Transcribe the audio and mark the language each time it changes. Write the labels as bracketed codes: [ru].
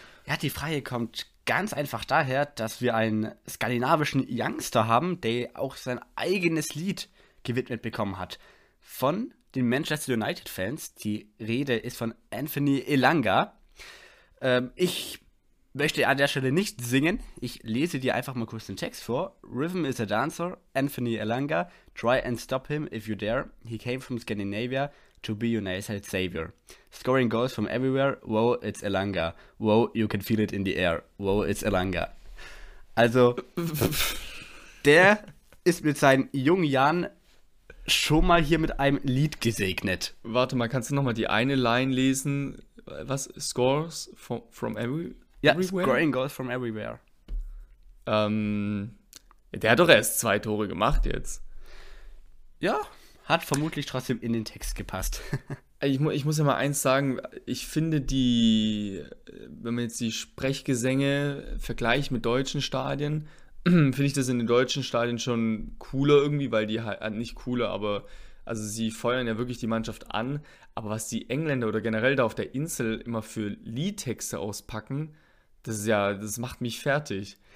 [de] Ja, die Frage kommt ganz einfach daher, dass wir einen skandinavischen Youngster haben, der auch sein eigenes Lied gewidmet bekommen hat. Von den Manchester United-Fans. Die Rede ist von Anthony Elanga. Ich möchte an der Stelle nicht singen. Ich lese dir einfach mal kurz den Text vor. [en] Rhythm is a dancer, Anthony Elanga. Try and stop him if you dare. He came from Scandinavia to be United's savior. Scoring goals from everywhere, wow, it's Elanga. Wow, you can feel it in the air. Wow, it's Elanga. [de] Also, der ist mit seinen jungen Jahren schon mal hier mit einem Lied gesegnet. Warte mal, kannst du nochmal die eine Line lesen? Was? [en] Scores from everywhere? Ja, scoring goals from everywhere. [de] Der hat doch erst 2 Tore gemacht jetzt. Ja, hat vermutlich trotzdem in den Text gepasst. Ich muss ja mal eins sagen, ich finde die, wenn man jetzt die Sprechgesänge vergleicht mit deutschen Stadien, finde ich das in den deutschen Stadien schon cooler irgendwie, weil die halt, nicht cooler, aber also sie feuern ja wirklich die Mannschaft an, aber was die Engländer oder generell da auf der Insel immer für Liedtexte auspacken, das macht mich fertig.